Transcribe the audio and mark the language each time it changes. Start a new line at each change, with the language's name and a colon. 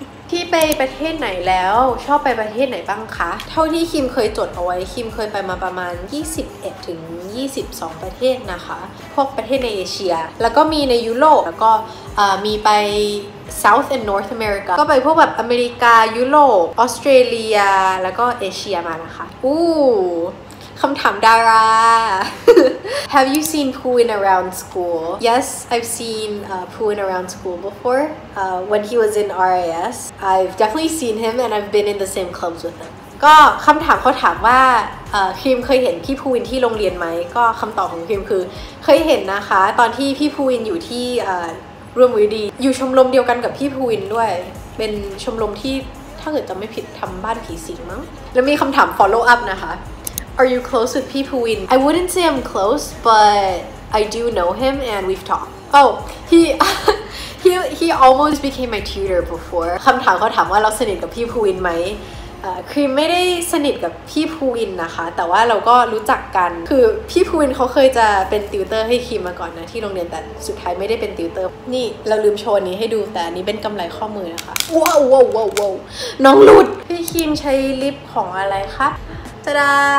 Thai: ที่ไปประเทศไหนแล้วชอบไปประเทศไหนบ้างคะเท่าที่คิมเคยจดเอาไว้คิมเคยไปมาประมาณ21ถึง22ประเทศนะคะพวกประเทศในเอเชียแล้วก็มีในยุโรปแล้วก็มีไป South and North America ก็ไปพวกแบบอเมริกายุโรปออสเตรเลียแล้วก็เอเชียมานะคะอู้คำถามดารา
English: Have you seen Pooh in around school? Yes, I've seen Pooh in around school before. When he was in RIS, I've definitely seen him and I've been in the same clubs with him.
Thai: ก็คำถามเขาถามว่าคิมเคยเห็นพี่พูวินที่โรงเรียนไหมก็คำตอบของคิมคือเคยเห็นนะคะตอนที่พี่พูวินอยู่ที่ร่วมวิดีอยู่ชมรมเดียวกันกับพี่พูวินด้วยเป็นชมรมที่ถ้าเกิดจำไม่ผิดทำบ้านผีสิงมั้งแล้วมีคำถาม follow up นะคะ
English: Are you close with Pee Pooh Win? I wouldn't say I'm close, but I do know him and we've talked. Oh, he almost became my tutor before.
Thai: คำถามเขาถามว่าเราสนิทกับพี่พูวินไหมครีมไม่ได้สนิทกับพี่พูวินนะคะแต่ว่าเราก็รู้จักกันคือพี่พูวินเขาเคยจะเป็นติวเตอร์ให้ครีมมาก่อนนะที่โรงเรียนแต่สุดท้ายไม่ได้เป็นติวเตอร์นี่เราลืมโชว์นี้ให้ดูแต่อันนี้เป็นกำไรข้อมือนะคะว้าวว้าวว้าวว้าวน้องหลุดพี่ครีมใช้ลิปของอะไรคะตาดา